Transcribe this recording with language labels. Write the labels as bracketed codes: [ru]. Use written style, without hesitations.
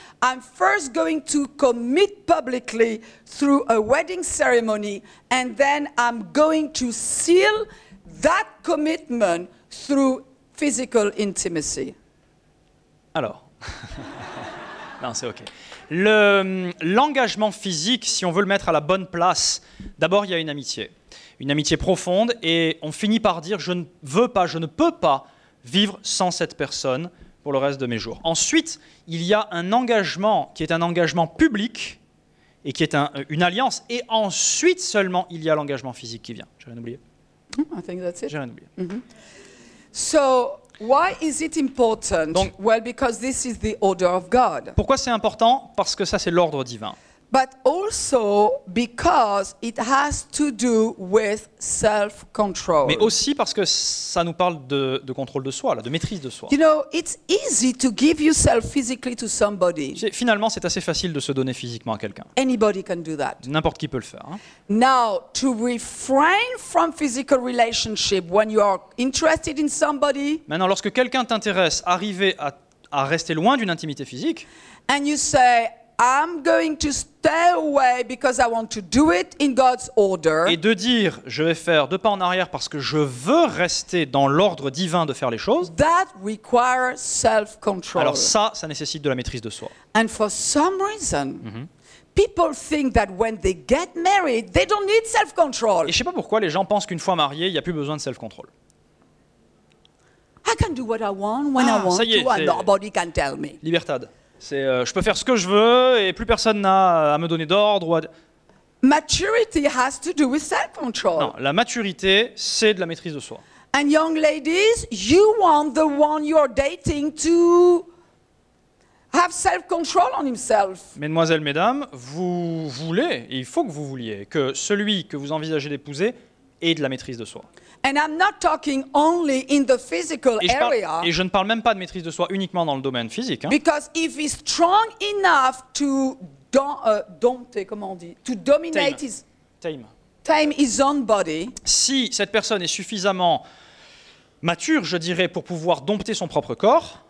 [en] I'm first going to commit publicly through a wedding ceremony, and then I'm going to seal that commitment through physical intimacy. [fr] Alors, non, c'est okay. L'engagement physique, si on veut le mettre à la bonne place, d'abord il y a une amitié profonde, et on finit par dire je ne veux pas, je ne peux pas vivre sans cette personne pour le reste de mes jours. Ensuite, il y a un engagement qui est un engagement public et qui est une alliance, et ensuite seulement il y a l'engagement physique qui vient. J'ai rien oublié. [en] I think that's it. [fr] J'ai rien oublié. Mm-hmm. [en] So, why is it important? [fr] Donc, [en] well, because this is the order of God. [fr] Pourquoi c'est important? Parce que ça, c'est l'ordre divin. [en] But also because it has to do with self-control. [fr] Mais aussi parce que ça nous parle de contrôle de soi, là, de maîtrise de soi. [en] You know, it's easy to give yourself physically to somebody. [fr] Finalement, c'est assez facile de se donner physiquement à quelqu'un. [en] Anybody can do that. [fr] N'importe qui peut le faire. Hein. [en] Now, to refrain from physical relationship when you are interested in somebody. [fr] Maintenant, lorsque quelqu'un t'intéresse, arriver à rester loin d'une intimité physique. [en] And you say, I'm going to stay away because I want to do it in God's order. [fr] Et de dire, je vais faire deux pas en arrière parce que je veux rester dans l'ordre divin de faire les choses. [en] That requires self-control. [fr] Alors ça nécessite de la maîtrise de soi. [en] And for some reason, people think that when they get married, they don't need self-control. [fr] Et je sais pas pourquoi les gens pensent qu'une fois mariés, il y a plus besoin de self-control. [en] I can do what I want when I want to, and nobody can tell me. [es] Libertad. [fr] C'est je peux faire ce que je veux et plus personne n'a à me donner d'ordre. [en] Maturity has to do with self-control. [fr] Non, la maturité, c'est de la maîtrise de soi. [en] And young ladies, you want the one you're dating to have self-control on himself. [fr] Mesdemoiselles, mesdames, vous voulez, et il faut que vous vouliez, que celui que vous envisagez d'épouser ait de la maîtrise de soi. [en] And I'm not talking only in the physical area. [fr] Et je ne parle même pas de maîtrise de soi uniquement dans le domaine physique. Hein. [en] Because if he's strong enough to [fr] dompter, comment on dit, [en] to dominate tame his own body. [fr] Si cette personne est suffisamment mature, je dirais, pour pouvoir dompter son propre corps.